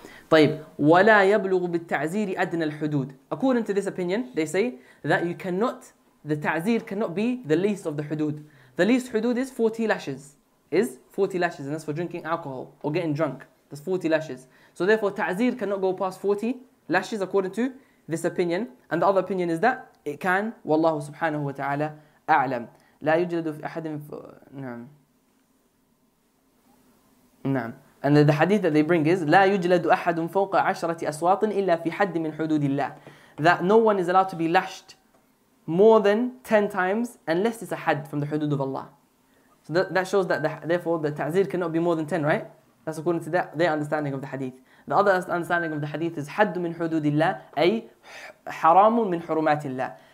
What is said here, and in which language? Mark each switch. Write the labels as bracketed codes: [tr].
[ar] طيب ولا يبلغ بالتعزير أدنى الحدود. [en] According to this opinion, they say that the ta'zir cannot be the least of the hudud. The least hudud is 40 lashes. Is 40 lashes, and that's for drinking alcohol or getting drunk. That's 40 lashes. So therefore, ta'zir cannot go past 40 lashes according to this opinion. And the other opinion is that it can. [ar] Wallahu subhanahu wa ta'ala a'lam. لا يوجد في أحد نعم. [en] And the hadith that they bring is [ar] لا يجلد أحد فوق عشرة أصوات إلا في حد من حدود الله. [en] That no one is allowed to be lashed more than 10 times unless it's a had from the hudud of Allah. So that shows that therefore the ta'zir cannot be more than 10, right? That's according to that their understanding of the hadith. The other understanding of the hadith is [ar] حد من حدود الله أي حرام من حرمات الله.